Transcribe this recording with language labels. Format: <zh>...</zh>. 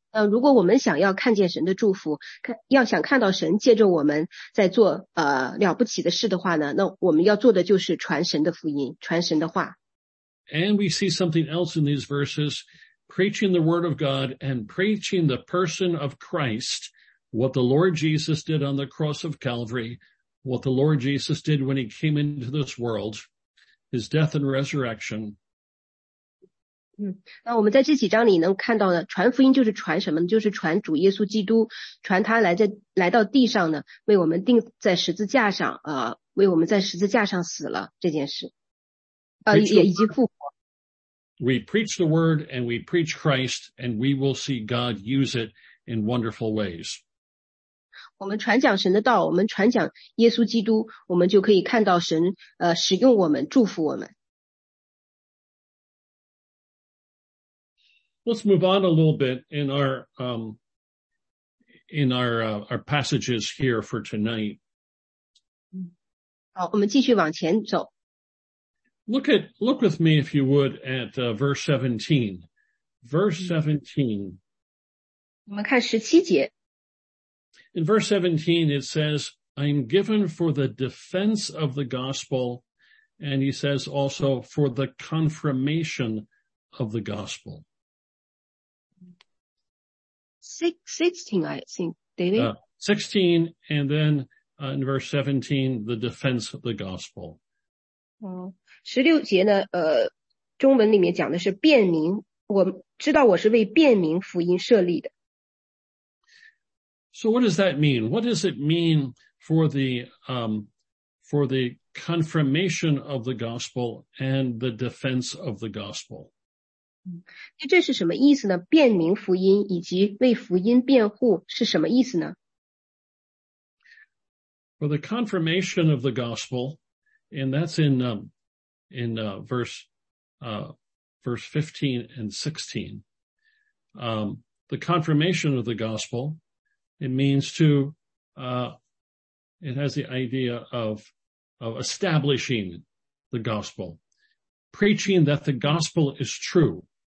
<zh>如果我们想要看见神的祝福，要想看到神借着我们在做了不起的事的话呢，那我们要做的就是传神的福音，传神的话。</zh> <en>And we see something else in these verses, preaching the word of God and preaching the person of Christ, what the Lord Jesus did on the cross of Calvary, what the Lord Jesus did when he came into this world, his death and resurrection.</en> <zh>那我们在这几章里能看到呢，传福音就是传什么呢？就是传主耶稣基督，传他来到地上呢，为我们钉在十字架上，为我们在十字架上死了这件事。以及复活。</zh> <en>We preach the word and we preach Christ and we will see God use it in wonderful ways.</en> <zh>我们传讲神的道，我们传讲耶稣基督，我们就可以看到神使用我们，祝福我们。</zh> <en>Let's move on a little bit in our passages here for tonight.</en> <zh>好，我们继续往前走。</zh> <en>Look with me, if you would, at verse 17. Verse 17.</en> <zh>我们看17节。</zh> <en>In verse 17, it says, I'm given for the defense of the gospel, and he says also for the confirmation of the gospel. 16, I think, David. 16, and then in verse 17, the defense of the gospel.</en> <zh>16节呢中文里面讲的是辨明，我知道我是为辨明福音设立的。</zh> <en>So what does that mean? What does it mean for the confirmation of the gospel and the defense of the gospel?</en> <zh>这是什么意思呢？辨明福音以及为福音辩护是什么意思呢？</zh> <en>For the confirmation of the gospel, and that's verse 15 and 16. The confirmation of the gospel, it means to, it has the idea of establishing the gospel, preaching that the gospel is true.</en>